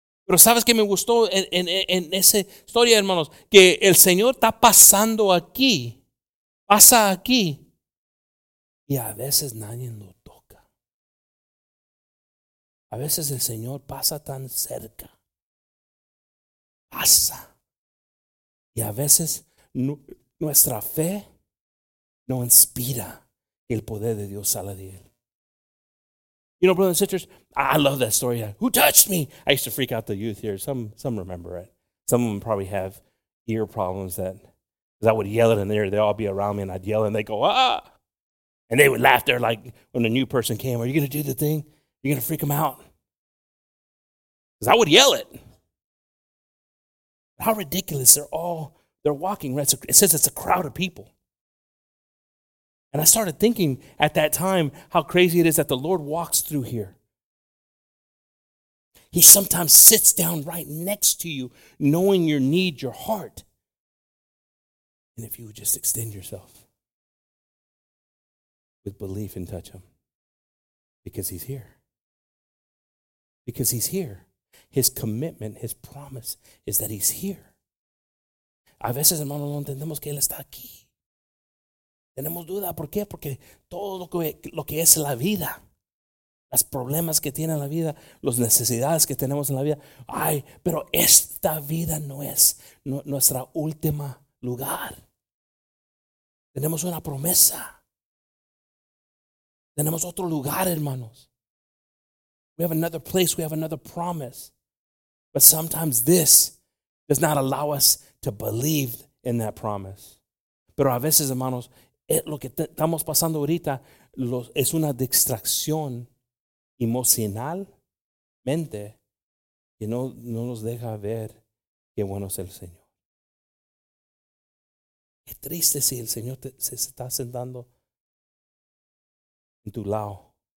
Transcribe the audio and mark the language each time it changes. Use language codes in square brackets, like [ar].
[es] Pero sabes que me gustó en esa historia, hermanos, que el Señor está pasando aquí, pasa aquí, y a veces nadie lo toca. A veces el Señor pasa tan cerca, pasa, y a veces nuestra fe no inspira el poder de Dios sale de él. [en] You know, brothers and sisters, I love that story. Who touched me? I used to freak out the youth here. Some remember it. Some of them probably have ear problems that, because I would yell it in there. They'd all be around me, and I'd yell, and they'd go, ah! And they would laugh. They're like, when a new person came, are you going to do the thing? You're going to freak them out? Because I would yell it. How ridiculous. They're walking. Right? It says it's a crowd of people. And I started thinking at that time how crazy it is that the Lord walks through here. He sometimes sits down right next to you, knowing your need, your heart. And if you would just extend yourself with belief and touch him, because he's here. Because he's here. His commitment, his promise is that he's here. [es] A veces, hermano, no entendemos que él está aquí. Tenemos duda, ¿por qué? Porque todo lo que es la vida, los problemas que tiene la vida, las necesidades que tenemos en la vida, ay, pero esta vida no es nuestra última lugar. Tenemos una promesa. Tenemos otro lugar, hermanos. [en] We have another place, we have another promise. But sometimes this does not allow us to believe in that promise. [es] Pero a veces, hermanos, lo que estamos pasando ahorita es una distracción emocionalmente que no nos deja ver qué bueno es el Señor. Qué triste si el Señor se está sentando en tu lado.